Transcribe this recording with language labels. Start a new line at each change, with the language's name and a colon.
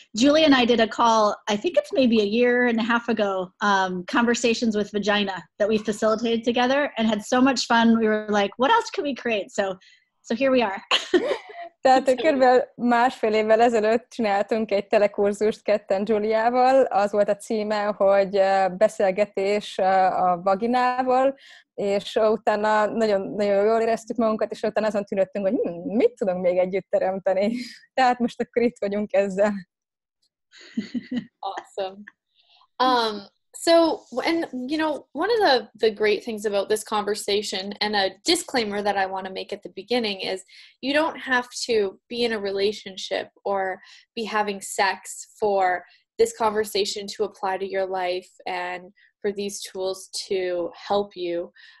English: Julie and I did a call, I think it's maybe a year and a half ago, Conversations with Vagina, that we facilitated together and had so much fun. We were like, what else can we create? So here we are.
Hungarian: Tehát kb. Másfél évvel ezelőtt csináltunk egy telekurzust ketten Juliával. Az volt a címe, hogy beszélgetés a vaginával, és utána nagyon, nagyon jól éreztük magunkat, és utána azon tűnődtünk, hogy mit tudunk még együtt teremteni. Tehát most akkor itt vagyunk ezzel.
English: Awesome. So, and you know, one of the great things about this conversation, and a disclaimer that I want to make at the beginning, is you don't have to be in a relationship or be having sex for this conversation to apply to your life and for these tools to help you